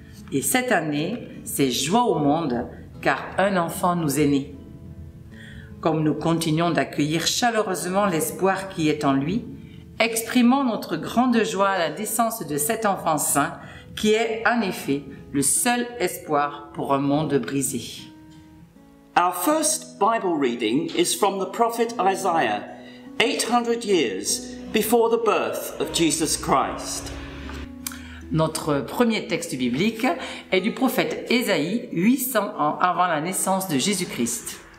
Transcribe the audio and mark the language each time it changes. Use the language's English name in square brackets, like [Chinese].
[French] Et cette année, c'est joie au monde, car un enfant nous est né. Comme nous continuons d'accueillir chaleureusement l'espoir qui est en lui, exprimons notre grande joie à la naissance de cet enfant saint, qui est en effet le seul espoir pour un monde brisé. [English] Our first Bible reading is from the prophet Isaiah, 800 years before the birth of Jesus Christ. [French] Notre premier texte biblique est du prophète Ésaïe, 800 ans avant la naissance de Jésus-Christ.